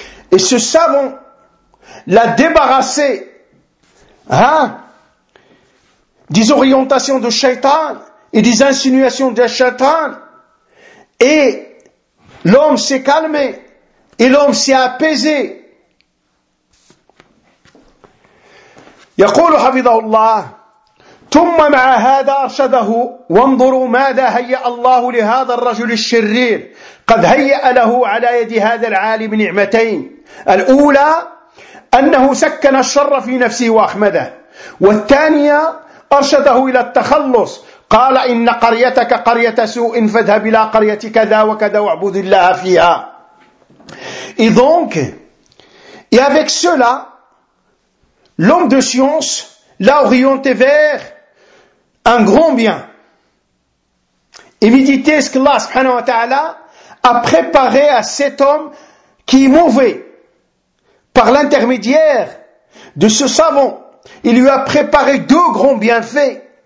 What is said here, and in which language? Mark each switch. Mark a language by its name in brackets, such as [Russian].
[French] Et ce savant l'a débarrassé, des orientations de Shaitan et des insinuations de Shaitan, et l'homme s'est calmé, et l'homme s'est apaisé. [Arabic] يقول حفظه الله ثم مع هذا أرشده وانظروا ماذا هيأ الله لهذا الرجل الشرير قد هيأ له على يد هذا العالم نعمتين الأولى أنه سكن الشر في نفسه وأخمده والثانية أرشده إلى التخلص قال إن قريتك قرية سوء فاذهب إلى قرية كذا وكذا واعبد الله فيها [French] Et donc, et avec cela, l'homme de science l'a orienté vers un grand bien. Et méditez ce qu'Allah subhanahu wa ta'ala a préparé à cet homme qui est mauvais. Par l'intermédiaire de ce savant, il lui a préparé deux grands bienfaits.